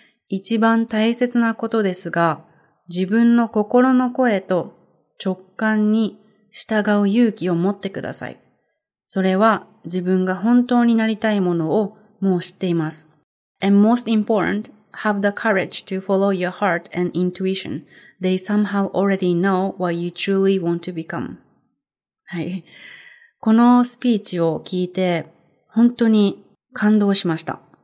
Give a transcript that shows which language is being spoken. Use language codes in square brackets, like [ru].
[ja] 一番大切なことですが、自分の心の声と直感に従う勇気を持ってください。それは自分が本当になりたいものをもう知っています。 [en] And most important,Have the courage to follow your heart and intuition. They somehow already know what you truly want to become. [ja] はい。このスピーチを聞いて、本当に感動しました。